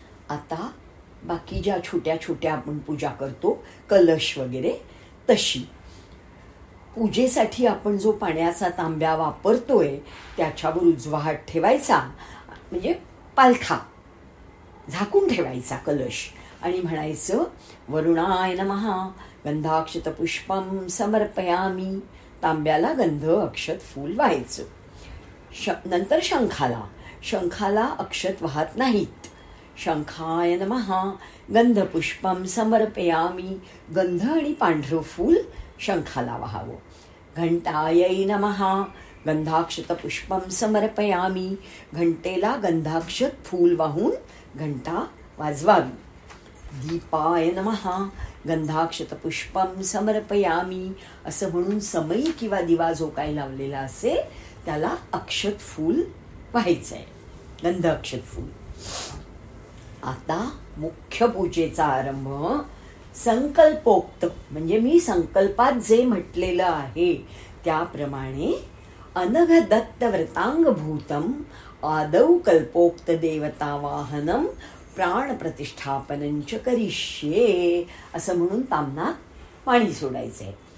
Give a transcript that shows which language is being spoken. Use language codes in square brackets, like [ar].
[mr] आता बाकी ज्या छोट्या छोट्या आपण पूजा करतो, कलश वगैरे, तशी पूजेसाठी आपण जो पाण्याचा तांब्या वापरतोय त्याच्यावर उजवाहाट ठेवायचा, म्हणजे पालखा झाकून ठेवायचा कलश, आणि म्हणायचं [sa] वरुणाय नमः गंधाक्षत पुष्पम समर्पयामी। [mr] तांब्याला गंध अक्षत फूल व्हायचं। नंतर शंखाला, शंखाला अक्षत वाहत नाहीत, [sa] शंखाय नमः गंधपुष्पम समर्पयामी, [mr] गंध आणि पांढरं फूल शंखाला वहावं। [sa] घंटायै नमः गंधाक्षत पुष्पम समर्पयामी, [mr] घंटेला गंधाक्षत फूल वाहून घंटा वाजवावी। [sa] दीपाय नमः गंधाक्षत पुष्पम समर्पयामी, [mr] असं म्हणून समयी किंवा दिवा जो काय लावलेला असेल त्याला अक्षत फूल व्हायचं आहे, गंध अक्षत फूल। आता मुख्य पूजेचा आरंभ संकल्पोक्त, म्हणजे मी संकल्पात जे म्हटलेलं आहे त्याप्रमाणे [sa] अनघ दत्त व्रतांग भूतम आदौ कल्पोक्त देवता वाहनम प्राण प्रतिष्ठापनंच करिष्ये, [mr] असं म्हणून तांबनात पाणी सोडायचंय।